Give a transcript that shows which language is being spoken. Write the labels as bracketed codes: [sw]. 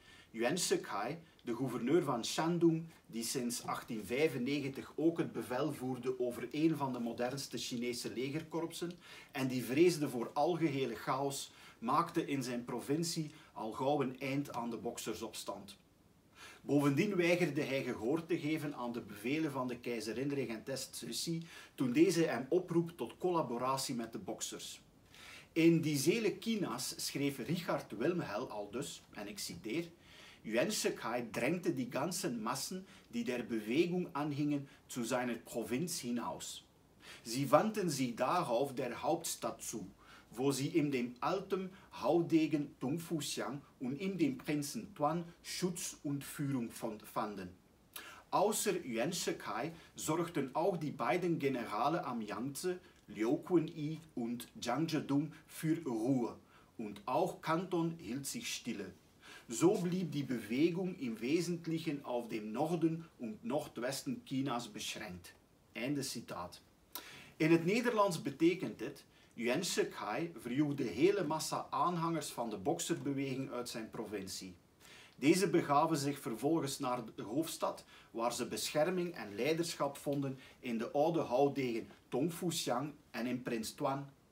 [nl] Yuan Shikai, de gouverneur van Shandong, die sinds 1895 ook het bevel voerde over een van de modernste Chinese legerkorpsen en die vreesde voor algehele chaos, maakte in zijn provincie al gauw een eind aan de boksersopstand. Bovendien weigerde hij gehoor te geven aan de bevelen van de keizerin-regentes Cixi toen deze hem oproep tot collaboratie met de boksers. In Die Zele Chinas schreef Richard Wilhelm aldus, en ik citeer: [de] Yuan Shikai drängte die ganzen Massen, die der Bewegung anhingen, zu seiner Provinz hinaus. Sie wandten sich darauf der Hauptstadt zu, wo sie ihm dem alten Haudegen Tung Fu Xiang und ihm dem Prinzen Tuan Schutz und Führung fanden. Außer Yuan Shikai sorgten auch die beiden Generale am Yangtze, Liu Kun-i und Zhang Zhedong, für Ruhe, und auch Kanton hielt sich stille. So blieb die Bewegung im Wesentlichen auf dem Norden und Nordwesten Chinas beschränkt. [nl] Einde citaat. In het Nederlands betekent dit: Yuan Shikai verjoeg de hele massa aanhangers van de boksersbeweging uit zijn provincie. Deze begaven zich vervolgens naar de hoofdstad, waar ze bescherming en leiderschap vonden in de oude houdegen Tong Fu Xiang en in prins Tuan.